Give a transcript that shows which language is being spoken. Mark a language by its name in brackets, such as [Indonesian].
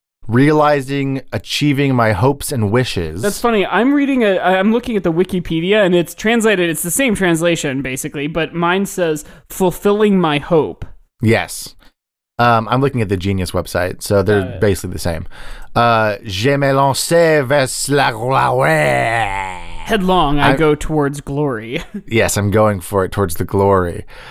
[English] realizing, achieving my hopes and wishes. That's funny. I'm reading I'm looking at the Wikipedia, and it's translated. It's the same translation, basically, but mine says fulfilling my hope. Yes. I'm looking at the Genius website, so they're basically the same. [French] Je me lance vers la gloire. [English] Headlong, I go towards glory. Yes, I'm going for it, towards the glory.